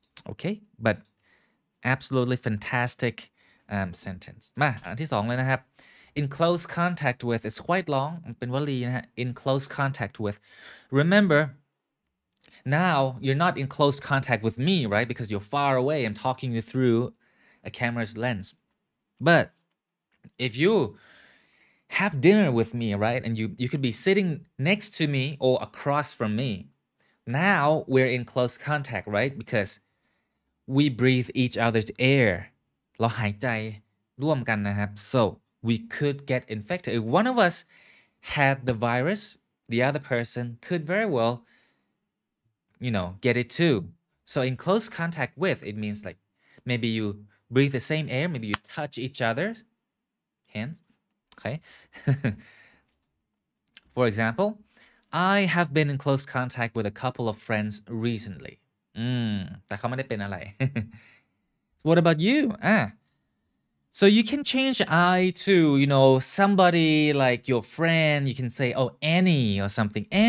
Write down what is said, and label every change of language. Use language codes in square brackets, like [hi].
[en] okay but absolutely fantastic sentence [th] มาอันที่สองเลยนะครับ [en] in close contact with it's quite long [th] เป็นวลีนะฮะ [en] in close contact with remember now you're not in close contact with me right because you're far away I'm talking you through a camera's lensBut if you have dinner with me, right, and you could be sitting next to me or across from me, now we're in close contact, right? Because we breathe each other's air. [th] เราหายใจร่วมกันนะครับ [en] So we could get infected. If one of us had the virus, the other person could very well, you know, get it too. So in close contact with, it means like maybe you... breathe the same air, maybe you touch each other's hands, okay? For example, I have been in close contact with a couple of friends recently. [th] แต่เขาไม่ได้เป็นอะไร [en] What about you? So you can change I to, you know, somebody like your friend. You can say, oh, Annie or something.